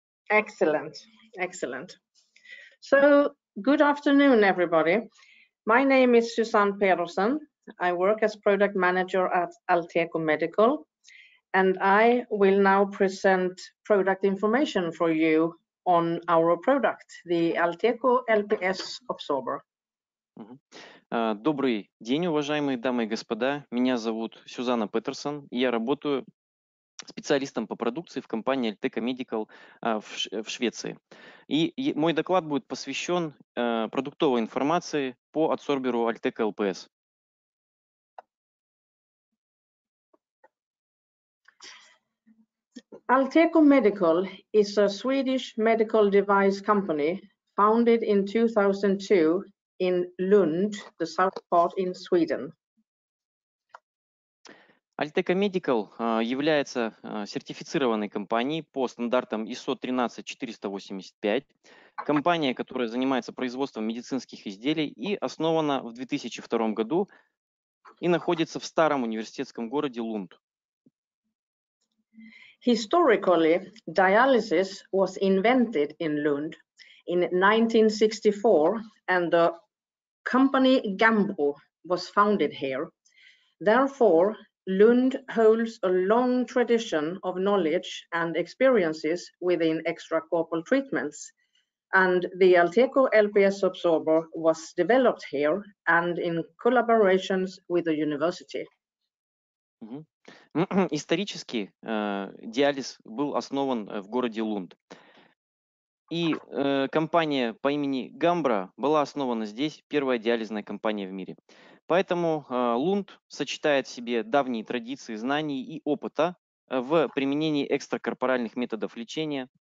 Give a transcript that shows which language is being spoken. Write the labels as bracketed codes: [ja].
[en] Excellent. So, good afternoon, everybody. My name is Susanne Pedersen. I work as product manager at Alteco Medical, and I will now present product information for you on our product, the Alteco LPS Absorber. [ru] Добрый день, уважаемые дамы и господа. Меня зовут Сюзанна Петерсон. Я работаю специалистом по продукции в компании Alteco Medical в Швеции. И мой доклад будет посвящен продуктовой информации по адсорберу Alteco LPS. [en] I Alteco Medical is a Swedish medical device company founded in 2002 in Lund, the south part in Sweden. [ru] Alteco Medical является сертифицированной компанией по стандартам ISO 13485, компания, которая занимается производством медицинских изделий и основана в 2002 году и находится в старом университетском городе Лунд. [en] Historically, dialysis was invented in Lund in 1964, and the company Gambro was founded here. Therefore, Lund holds a long tradition of knowledge and experiences within extracorporeal treatments, and the Alteco LPS absorber was developed here and in collaborations with the university. [ru] Исторически диализ был основан в городе Лунд. И компания по имени Гамбра была основана здесь, первая диализная компания в мире. Поэтому Лунд сочетает в себе давние традиции, знаний и опыта в применении экстракорпоральных методов лечения.